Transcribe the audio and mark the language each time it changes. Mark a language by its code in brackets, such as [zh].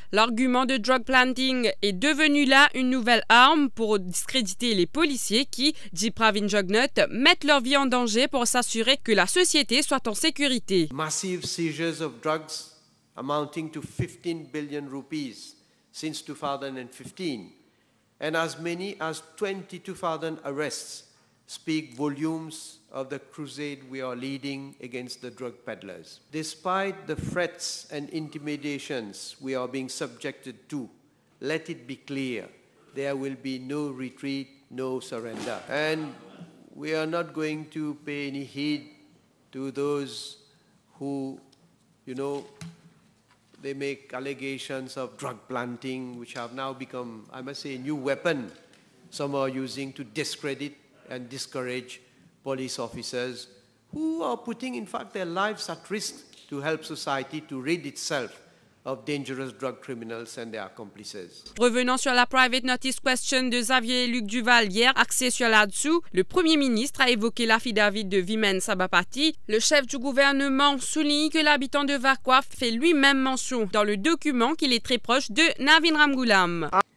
[fr] L'argument de drug planting est devenu là une nouvelle arme pour discréditer les policiers qui, dit Pravind Jugnauth, mettent leur vie en danger pour s'assurer que la société soit en sécurité. [en] Massive seizures of drugs amounting to 15 billion rupees since 2015, and as many as 22,000 arrests speak volumes of the crusade we are leading against the drug peddlers. Despite the threats and intimidations we are being subjected to, let it be clear, there will be no retreat, no surrender. And we are not going to pay any heed to those who, you know, they make allegations of drug planting, which have now become, I must say, a new weapon some are using to discredit and discourage police officers who are putting, in fact, their lives at risk to help society to rid itself of dangerous drug criminals and their accomplices. [fr] Revenant sur la private notice question de Xavier Luc Duval hier, axée sur là-dessous, le Premier ministre a évoqué l'affidavit de Vimen Sabapati. Le chef du gouvernement souligne que l'habitant de Vakwa fait lui-même mention dans le document qu'il est très proche de Navin Ramgoulam.